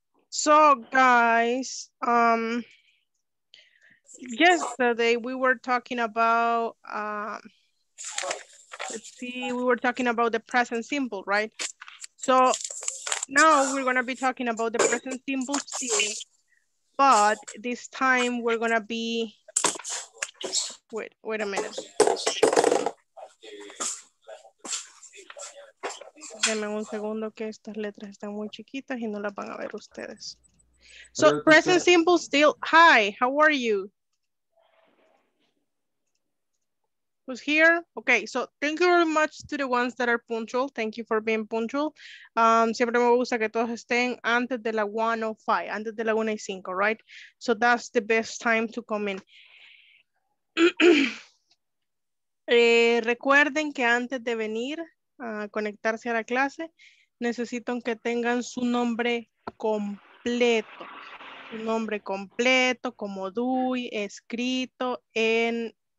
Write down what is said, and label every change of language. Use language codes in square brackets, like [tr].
[en] So, guys, yesterday we were talking about, let's see, we were talking about the present simple, right? So now we're going to be talking about the present simple still, but this time we're going to be, wait a minute. [es] Denme un segundo que estas letras están muy chiquitas y no las van a ver ustedes. [en] So present simple still, hi, how are you? Who's here? Okay, so thank you very much to the ones that are punctual. Thank you for being punctual. [es] Siempre me gusta que todos estén antes de la 1:05, antes de la 1:05, right? [en] So that's the best time to come in. [es] recuerden que antes de venir a conectarse a la clase, necesitan que tengan su nombre completo. Su nombre completo, como DUI, escrito en...